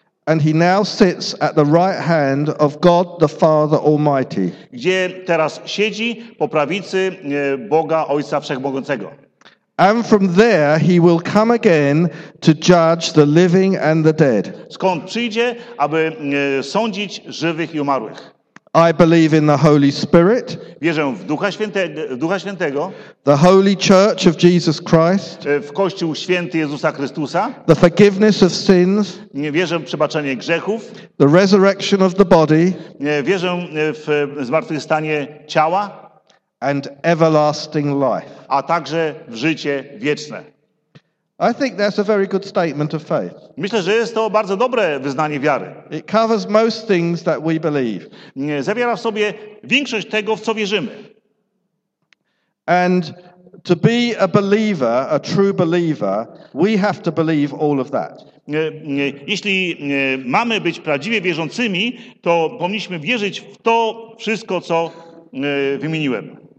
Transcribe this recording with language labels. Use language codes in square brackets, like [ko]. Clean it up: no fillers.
[en] And he now sits at the right hand of God the Father Almighty. [pl] Gdzie teraz siedzi po prawicy Boga Ojca Wszechmogącego. [en] And from there he will come again to judge the living and the dead. [pl] Skąd przyjdzie, aby sądzić żywych i umarłych. [en] I believe in the Holy Spirit. [pl] Wierzę w Ducha Świętego. [en] The Holy Church of Jesus Christ. [pl] W Kościół Święty Jezusa Chrystusa. [en] The forgiveness of sins. [pl] Wierzę w przebaczenie grzechów. [en] The resurrection of the body. [pl] Wierzę w zmartwychwstanie ciała. [en] And everlasting life. [pl] A także w życie wieczne. [en] I think that's a very good statement of faith. [pl] Myślę, że jest to bardzo dobre wyznanie wiary. [en] It covers most things that we believe. [pl] Zawiera w sobie większość tego, w co wierzymy. [en] And to be a believer, a true believer, we have to believe all of that. [pl] Jeśli mamy być prawdziwie wierzącymi, to powinniśmy wierzyć w to wszystko, co wymieniłem.